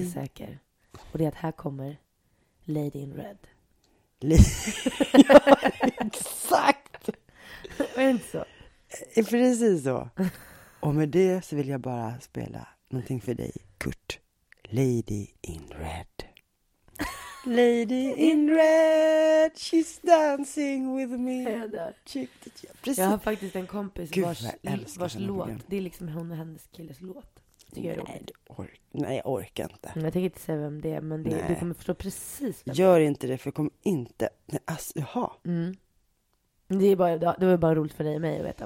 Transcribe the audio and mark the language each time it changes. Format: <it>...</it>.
<sv>en sak är säker. Och det är att här kommer Lady in Red. Exakt! Är det inte så? Precis så. Och med det så vill jag bara spela någonting för dig, Kurt. Lady in Red.</sv> <en>Lady in red, she's dancing with me.</en> <sv>Precis. Jag har faktiskt en kompis Gud, vars låt, igen. Det är liksom hon och hennes killes låt. Nej, jag orkar inte. Jag tänker inte säga vem det är, men du kommer förstå precis. Gör inte det, för jag kommer inte. Nej, asså, jaha. Mm. Det är bara, det var bara roligt för dig och mig att veta.</sv>